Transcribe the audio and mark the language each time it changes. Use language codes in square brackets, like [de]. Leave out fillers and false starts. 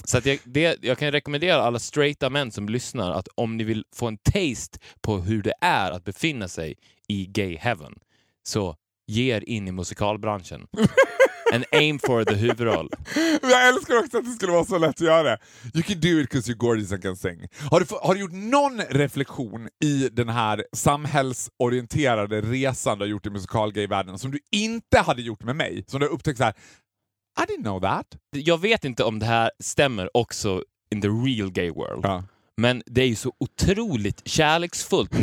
[sv] Så att jag kan rekommendera alla straighta män som lyssnar att om ni vill få en taste på hur det är att befinna sig i [en] gay heaven [sv] så ge er in i musikalbranschen. [en] And aim for the huvudroll. [sv] Jag älskar också att det skulle vara så lätt att göra. [en] You can do it because you're gorgeous and can sing. [sv] Har du gjort någon reflektion i den här samhällsorienterade resan du har gjort i musikalgay-världen som du inte hade gjort med mig? Som du har upptäckt så här, [en] I didn't know that. [sv] Jag vet inte om det här stämmer också [en] in the real gay world. [sv] Ja. Men det är ju så otroligt kärleksfullt.